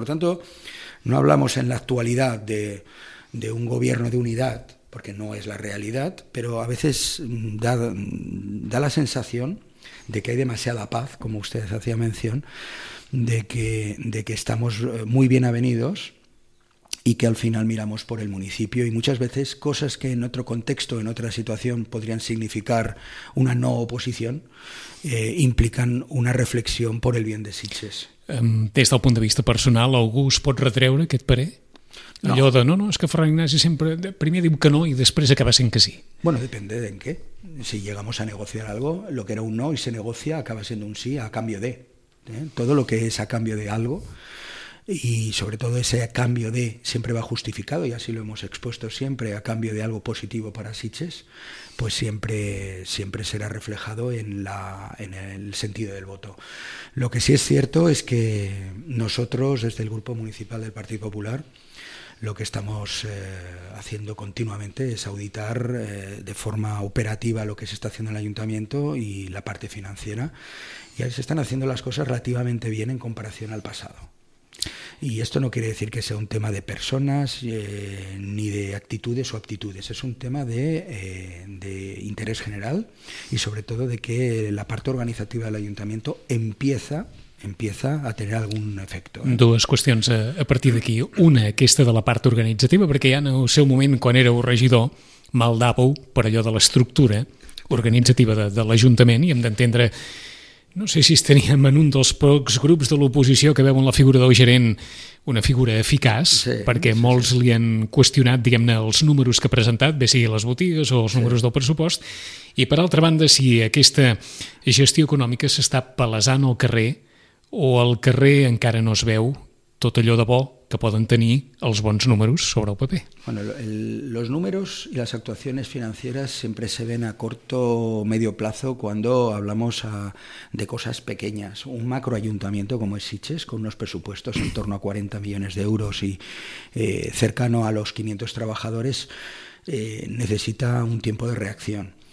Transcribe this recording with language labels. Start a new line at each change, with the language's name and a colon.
Spanish: Por lo tanto, no hablamos en la actualidad de un gobierno de unidad, porque no es la realidad, pero a veces da la sensación de que hay demasiada paz, como usted hacía mención, de que estamos muy bien avenidos y que al final miramos por el municipio, y muchas veces cosas que en otro contexto, en otra situación, podrían significar una no oposición, implican una reflexión por el bien de Sitges.
Catalan: Des del punt de vista personal, algú es pot retreure aquest parer? No. Allò de, no, és que Ferran Ignasi sempre primer diu que no i després acaba sent que sí.
Spanish: Bueno, depende de en qué. Si llegamos a negociar algo, lo que era un no y se negocia acaba siendo un sí a cambio de. Todo lo que es a cambio de algo, y sobre todo ese a cambio de siempre va justificado, y así lo hemos expuesto siempre, a cambio de algo positivo para Sitges, pues siempre será reflejado en el sentido del voto. Lo que sí es cierto es que nosotros, desde el Grupo Municipal del Partido Popular, lo que estamos haciendo continuamente es auditar de forma operativa lo que se está haciendo en el ayuntamiento y la parte financiera, y ahí se están haciendo las cosas relativamente bien en comparación al pasado. Y esto no quiere decir que sea un tema de personas ni de actitudes o aptitudes, es un tema de interés general y sobre todo de que la parte organizativa del ayuntamiento empieza a
Catalan: tenir algun efecte. Dues qüestions a partir d'aquí. Una, aquesta de la part organitzativa, perquè ja en el seu moment, quan éreu regidor, maldàveu per allò de l'estructura organitzativa de l'Ajuntament, i hem d'entendre, no sé si teníem en un dels pocs grups de l'oposició que veuen la figura del gerent una figura eficaç, sí, perquè molts li han qüestionat, diguem-ne, els números que ha presentat, bé sigui les botigues o els números del pressupost, i per altra banda, si aquesta gestió econòmica s'està palesant al carrer, o al carrer encara no es veu tot allò de bo que poden tenir els bons números sobre el paper?
Spanish: Bueno, los números y las actuaciones financieras siempre se ven a corto o medio plazo cuando hablamos de cosas pequeñas. Un macroayuntamiento como es Sitges, con unos presupuestos en torno a 40 millones de euros y cercano a los 500 trabajadores, necesita un tiempo de reacción.